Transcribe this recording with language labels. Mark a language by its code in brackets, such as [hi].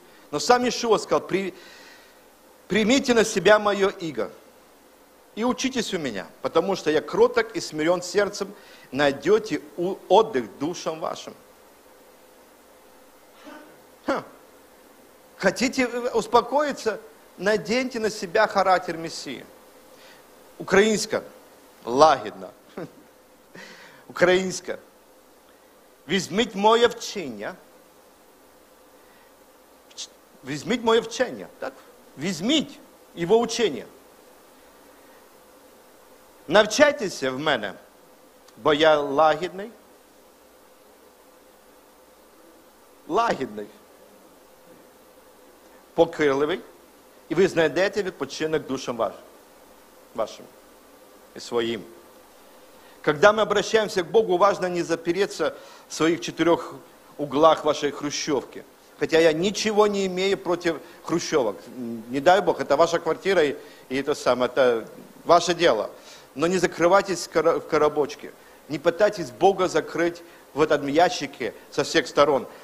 [ru] Но сам Иешуа сказал, примите на себя мое иго и учитесь у меня, потому что я кроток и смирен сердцем, найдете отдых душам вашим. Хотите успокоиться, наденьте на себя характер Мессии. [uk] Украинска, лагідна. Украинска, візьміть моє вчення. Візьміть моє вчення, так? Візьміть [ru] его учение. [uk] Навчайтеся в мене, бо я лагідний. Лагідний. Покирливий, і ви знайдете відпочинок душам вашим і своїм. [ru] Когда мы обращаемся к Богу, важно не запереться в своих четырех углах вашей хрущевки. Хотя я ничего не имею против хрущевок. Не дай Бог, это ваша квартира и это самое, это ваше дело. Но не закрывайтесь в коробочке. Не пытайтесь Бога закрыть в этом ящике со всех сторон.